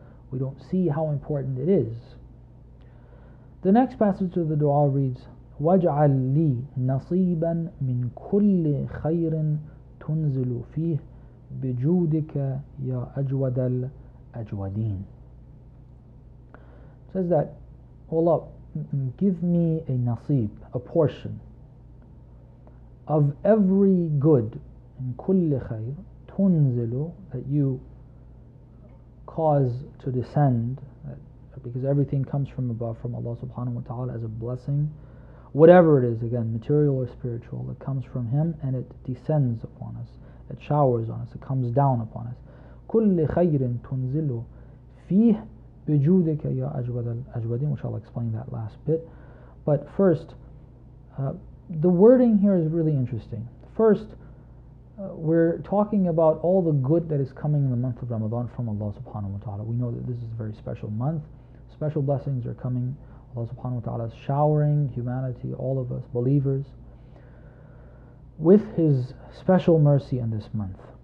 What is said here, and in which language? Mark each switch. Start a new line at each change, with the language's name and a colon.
English: We don't see how important it is. The next passage of the dua reads,
Arabic: وَاجْعَلْ لِي نَصِيبًا مِنْ كُلِّ خَيْرٍ تُنْزِلُ فِيهِ بِجُودِكَ يَا أَجْوَدَ الْأَجْوَدِينَ.
English: It says that, Allah, give me a nasib, a portion of every good, in
Arabic: كُلِّ خَيْرٍ تُنْزِلُ,
English: that you cause to descend, because everything comes from above, from Allah subhanahu wa ta'ala, as a blessing, whatever it is, again, material or spiritual, it comes from Him and it descends upon us, it showers on us, it comes down upon us.
Arabic: كُلِّ خَيْرٍ تُنزِلُ فِيهِ بِجُودِكَ يَا أَجْوَدَ الْأَجْوَدِينَ,
English: which I'll explain that last bit. But first, the wording here is really interesting. First, we're talking about all the good that is coming in the month of Ramadan from Allah subhanahu wa ta'ala. We know that this is a very special month. Special blessings are coming. Allah subhanahu wa ta'ala is showering humanity, all of us, believers, with His special mercy in this month.